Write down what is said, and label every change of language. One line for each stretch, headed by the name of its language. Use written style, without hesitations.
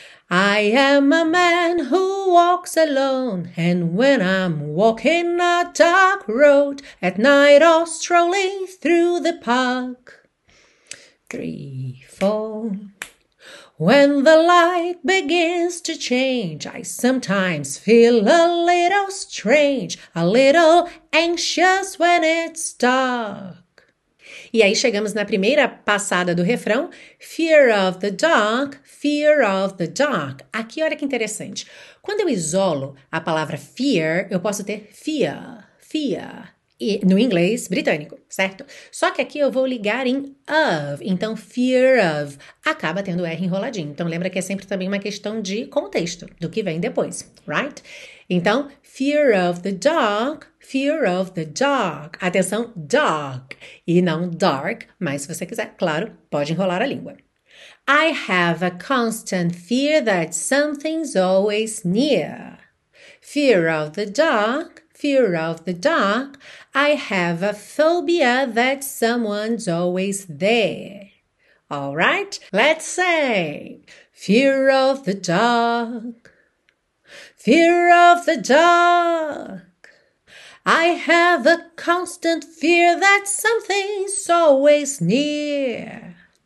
English: I am a man who walks alone, and when I'm walking a dark road, at night or strolling through the park. 3, 4... When the light begins to change, I sometimes feel a little strange, a little anxious when it's dark.
Portuguese: E aí chegamos na primeira passada do refrão.
English: Fear of the dark, fear of the dark.
Portuguese: Aqui, olha que interessante. Quando eu isolo a palavra fear, eu posso ter fear, fear. No inglês britânico, certo? Só que aqui eu vou ligar em of, então fear of acaba tendo R enroladinho. Então lembra que é sempre também uma questão de contexto, do que vem depois, right?
English: Então, fear of the dark, fear of the dark.
Portuguese: Atenção, dark e não dark, mas se você quiser, claro, pode enrolar a língua.
English: I have a constant fear that something's always near. Fear of the dark, fear of the dark, I have a phobia that someone's always there. All right, let's say, fear of the dark, fear of the dark, I have a constant fear that something's always near.